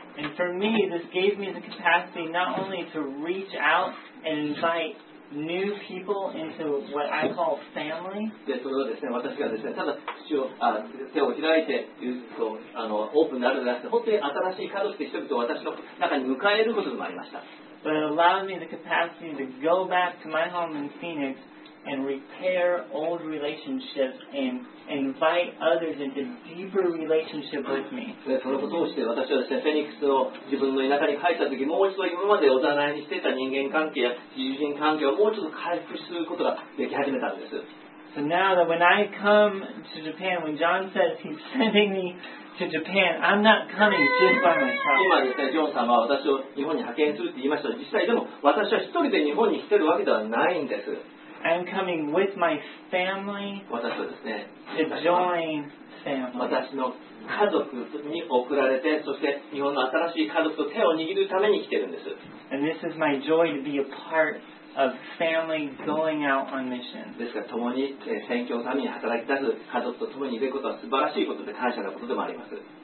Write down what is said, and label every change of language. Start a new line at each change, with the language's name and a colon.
English: And for me, this gave me the capacity not only to reach out and invite. New people into what I call family.
Japanese: で、それはですね、私がですね、ただ手を開いて、オープンであるのではなくて、本当に新しい家族で人々を私の中に迎えることでもありました。
English: But it allowed me the capacity to go back to my home in Phoenix and repair old relationships and invite others into deeper relationship with me.
Japanese: で、そのことをして、私はですね、フェニックスを自分の田舎に帰った時、もう一度今までおざなりにしていた人間関係や友人関係をもう一度回復することができ始めたんです。
English: So now that when I come to Japan, when John says he's sending me to Japan, I'm not coming just by myself.
Japanese: 今ですね、ジョン様は私を日本に派遣するって言いました。実際でも私は一人で日本に来てるわけではないんです。
English: I'm coming with my family to join family.
Japanese: 私の家族に送られて、そして日本の新しい家族と手を握るために来てるんです。
English: And this is my joy to be a part of family going out on mission.
Japanese: ですから、共に宣教のために働き出す家族と共にいることは素晴らしいことで感謝のことでもあります。